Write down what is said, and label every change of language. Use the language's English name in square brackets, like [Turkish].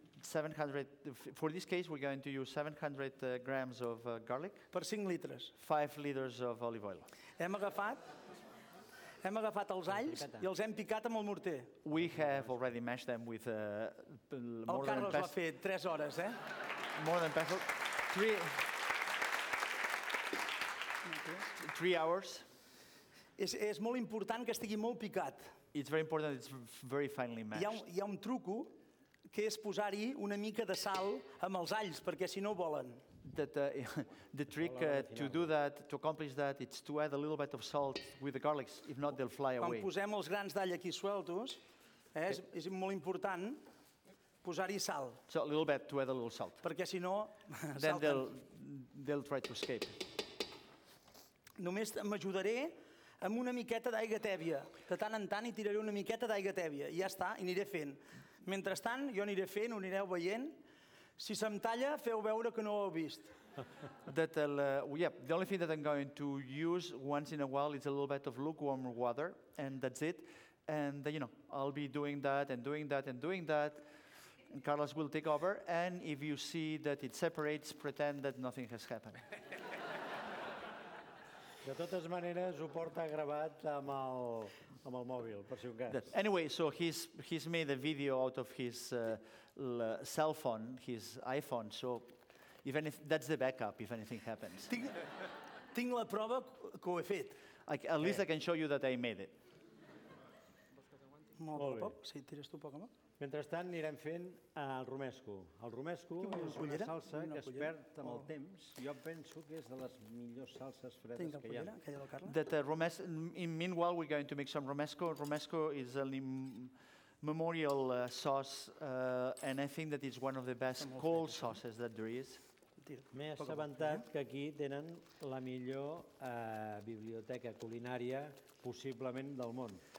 [English] 700, for this case we're going to use 700 grams of garlic. [Catalan] Per 5 litres. [English] 5 liters of olive oil. [Catalan] Hem agafat els alls I els hem picat amb el morter. [English] We have already mashed them with more than pestle. [Catalan] El Carles va fer 3 hores, eh? [English] More than pestle. Three hours. [Catalan] És molt important que estigui molt picat. [English] It's very important, it's very finely mashed. [Catalan] Hi ha un truco que és posar-hi una mica de sal amb els alls, perquè si no volen. [English] That the trick to do that, to accomplish that, it's to add a little bit of salt with the garlics, if not they'll fly away. [Catalan] Quan posem els grans d'all aquí sueltos, és molt important posar-hi sal. [English] So a little bit, to add a little salt. [Catalan] Perquè si no, [English] then they'll try to escape. [Catalan] Només m'ajudaré amb una miqueta d'aigua tèbia. De tant en tant hi tiraré una miqueta d'aigua tèbia i ja està, i aniré fent. Mentrestant, jo aniré fent, ho anireu veient. Si se'm talla, feu veure que no ho heu vist. [English] That, the only thing that I'm going to use once in a while is a little bit of lukewarm water, and that's it. And, you know, I'll be doing that and doing that and doing that. And Carlos will take over, and if you see that it separates, pretend that nothing has happened. [Catalan] De totes maneres, ho porta gravat amb el mòbil, per si un cas. [English] Anyway, so he's made a video out of his cell phone, his iPhone, so if that's the backup, if anything happens. [Catalan] Tinc la prova que ho he fet. [English] At least I can show you that I made it. [Catalan] Molt bé. Si tires tu poc a mà. Mentrestant, anirem fent el romesco. El romesco és una salsa que es perd amb el temps. Jo penso que és de les millors salses fredes que hi ha. [English] That romesco, meanwhile, we're going to make some romesco. Romesco is a memorial sauce, and I think that it's one of the best cold sauces that there is. [Catalan] M'he assabentat que aquí tenen la millor biblioteca culinària possiblement del món.